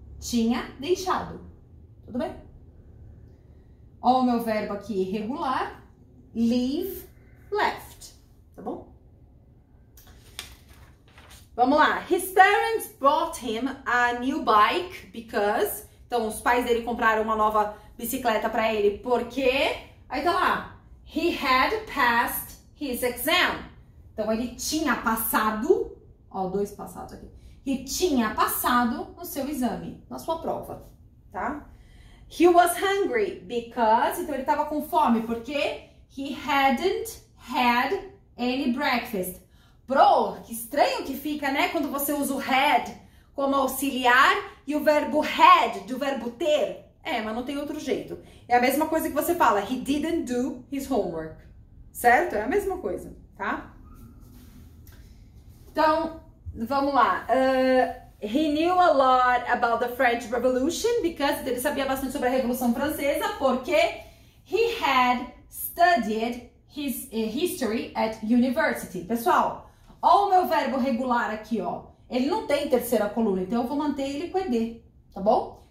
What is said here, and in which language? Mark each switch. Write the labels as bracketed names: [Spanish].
[Portuguese] Tinha deixado. Tudo bem? Ó o meu verbo aqui, irregular. Leave, left. Tá bom? Vamos lá. [English] His parents bought him a new bike because... [Portuguese] Então, os pais dele compraram uma nova bicicleta pra ele porque... Aí tá lá. [English] He had passed his exam. [Portuguese] Então, ele tinha passado... Ó, dois passados aqui. He tinha passado no seu exame, na sua prova. Tá? [English] He was hungry because... [Portuguese] Então, ele estava com fome porque [English] he hadn't had any breakfast. [Portuguese] Bro, que estranho que fica, né? Quando você usa o had como auxiliar e o verbo had do verbo ter. É, mas não tem outro jeito. É a mesma coisa que você fala, [English] he didn't do his homework. [Portuguese] Certo? É a mesma coisa, tá? Então, vamos lá. [English] He knew a lot about the French Revolution because [Portuguese] ele sabia bastante sobre a Revolução Francesa porque [English] he had studied his history at university. [Portuguese] Pessoal, ó o meu verbo regular aqui, ó. Ele não tem terceira coluna, então eu vou manter ele com ED, tá bom?